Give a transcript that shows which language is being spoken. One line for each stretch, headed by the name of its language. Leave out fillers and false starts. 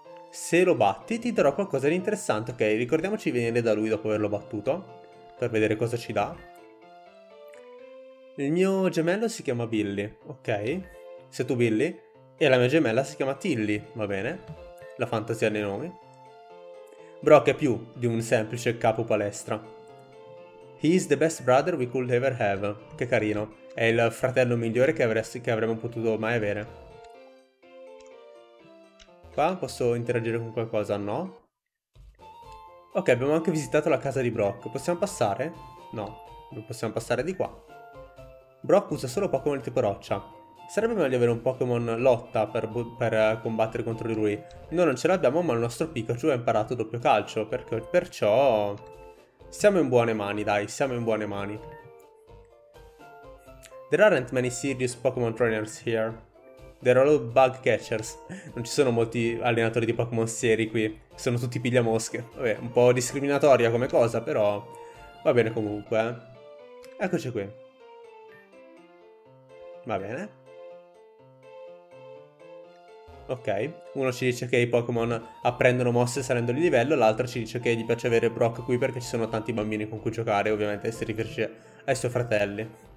Italian: Se lo batti ti darò qualcosa di interessante. Ok, ricordiamoci di venire da lui dopo averlo battuto, per vedere cosa ci dà. Il mio gemello si chiama Billy, ok? Sei tu Billy? E la mia gemella si chiama Tilly, va bene? La fantasia dei nomi. Brock è più di un semplice capo palestra.
English: He is the best brother we could ever have.
Italian: Che carino. È il fratello migliore che avremmo potuto mai avere. Qua posso interagire con qualcosa? No. Ok, abbiamo anche visitato la casa di Brock. Possiamo passare? No, non possiamo passare di qua. Brock usa solo Pokémon tipo roccia. Sarebbe meglio avere un Pokémon lotta per combattere contro di lui. Noi non ce l'abbiamo, ma il nostro Pikachu ha imparato doppio calcio, perciò siamo in buone mani, dai, siamo in buone mani.
English: There aren't many serious Pokémon trainers here. There are all bug catchers.
Italian: Non ci sono molti allenatori di Pokémon seri qui. Sono tutti pigliamosche. Vabbè, un po' discriminatoria come cosa, però va bene comunque. Eccoci qui. Va bene. Ok, uno ci dice che i Pokémon apprendono mosse salendo di livello, l'altro ci dice che gli piace avere Brock qui perché ci sono tanti bambini con cui giocare, ovviamente si riferisce ai suoi fratelli.